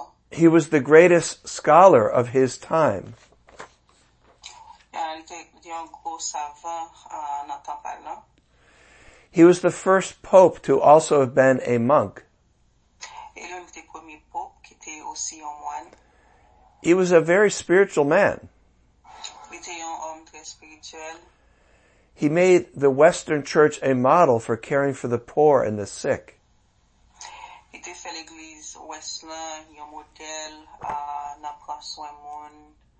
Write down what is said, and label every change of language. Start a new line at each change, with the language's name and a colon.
English: He was the greatest scholar of his time.
French: Yeah, un gros savant en entend parler.
English: He was the first pope to also have been a monk.
French: Et l'un des premiers popes qui était aussi un moine.
English: He was a very spiritual man.
French: Il était un homme très spirituel.
English: He made the Western Church a model for caring for the poor and the sick.
French: Il était fait l'église Western, un modèle à prendre soin du monde.